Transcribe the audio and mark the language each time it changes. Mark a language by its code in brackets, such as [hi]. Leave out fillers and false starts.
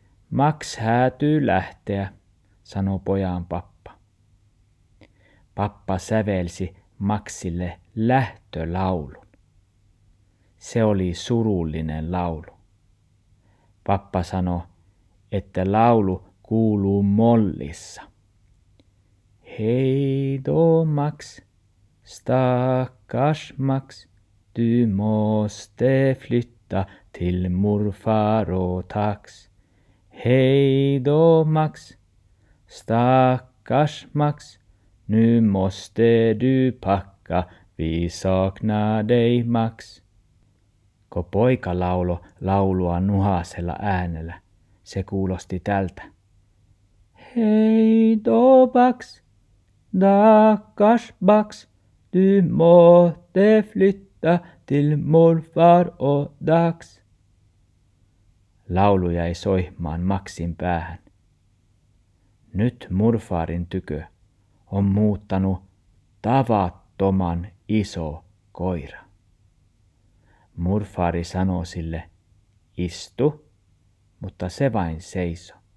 [fi] Max häätyy lähteä, sanoi pojan pappa. Pappa sävelsi Maxille lähtölaulun. Se oli surullinen laulu. Pappa sanoi, että laulu kuuluu mollissa. [sv] Hei do Max, stakkars Max, du måste flytta till morfar och tax. Hej då Max, stakkars Max, nu måste du packa, vi saknar dig Max. [fi] Kun poika laulo laulua nuhasella äänellä, se kuulosti tältä. [sv] Hej då Max, stakkars Max, du måste flytta till morfar och dax. [fi] Laulu jäi soimaan Maxin päähän. Nyt murfaarin tykö on muuttanut tavattoman iso koira. Murfaari sanoi sille, istu, mutta se vain seiso.